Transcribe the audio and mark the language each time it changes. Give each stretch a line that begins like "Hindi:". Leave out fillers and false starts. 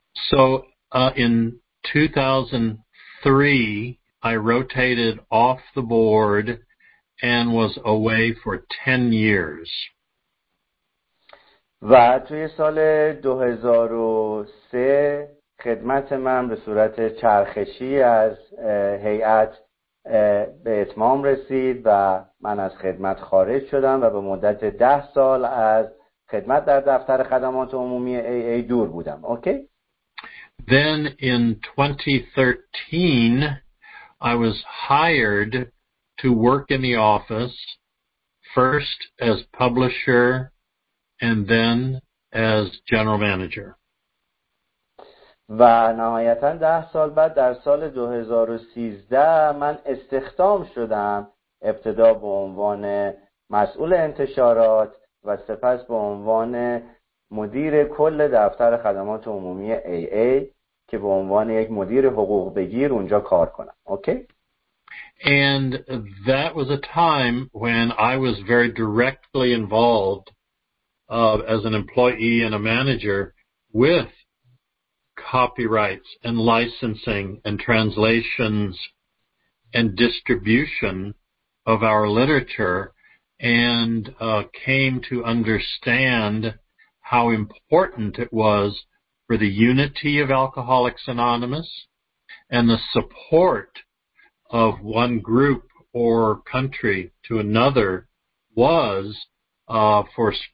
English: So in 2003 I rotated off the board and was away for 10 years.
Persian: و توی سال 2003 خدمت من به صورت چرخشی از هیئت به اتمام رسید و من از خدمت خارج شدم و به مدت 10 سال از خدمت در دفتر خدمات عمومی AA دور بودم. اوکی؟
English: Then in 2013 I was hired to work in the office first as publisher and then as general manager.
Persian: و نهایتاً 10 سال بعد در سال 2013 من استخدام شدم، ابتدا به عنوان مسئول انتشارات و سپس به عنوان مدیر کل دفتر خدمات عمومی AA که به عنوان یک مدیر حقوق بگیر اونجا کار کنم. اوکی؟
English: And that was a time when I was very directly involved as an employee and a manager with copyrights and licensing and translations and distribution of our literature, and came to understand how important it was for the unity of Alcoholics Anonymous and the support of one group or country to another was for